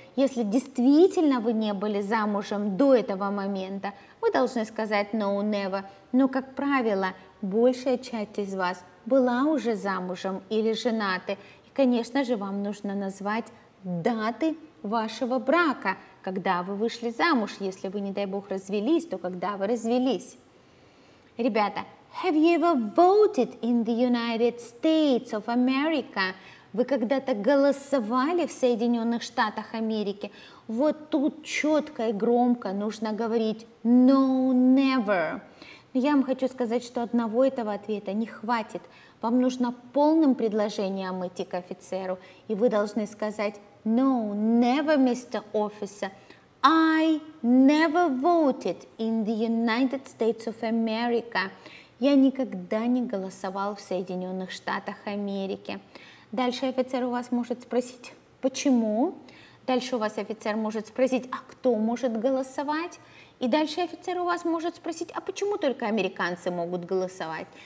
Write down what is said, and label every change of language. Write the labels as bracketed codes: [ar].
[ru] Если действительно вы не были замужем до этого момента, вы должны сказать [en] «No, never», [ru] но, как правило, большая часть из вас была уже замужем или женаты. И, конечно же, вам нужно назвать даты вашего брака, когда вы вышли замуж. Если вы, не дай бог, развелись, то когда вы развелись. Ребята, [en] have you ever voted in the United States of America? [ru] Вы когда-то голосовали в Соединенных Штатах Америки? Вот тут четко и громко нужно говорить [en] «no, never». [ru] Но я вам хочу сказать, что одного этого ответа не хватит. Вам нужно полным предложением идти к офицеру, и вы должны сказать [en] «No, never, Mr. Officer, I never voted in the United States of America». [ru] Я никогда не голосовал в Соединенных Штатах Америки. Дальше офицер у вас может спросить «Почему?». Дальше у вас офицер может спросить «А кто может голосовать?». И дальше офицер у вас может спросить, а почему только американцы могут голосовать?